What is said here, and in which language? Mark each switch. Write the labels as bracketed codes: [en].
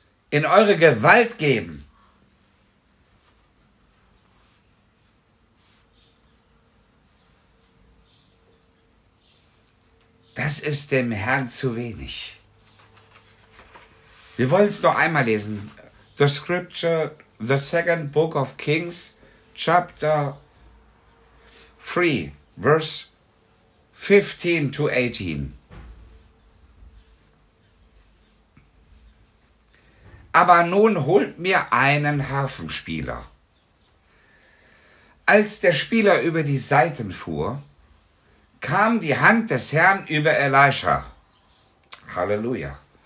[de] In eure Gewalt geben. Das ist dem Herrn zu wenig. Wir wollen es noch einmal lesen. [en] The Scripture... The second book of Kings, chapter 3, verse 15 to 18. [de] Aber nun holt mir einen Harfenspieler. Als der Spieler über die Saiten fuhr, kam die Hand des Herrn über Elisha. Halleluja.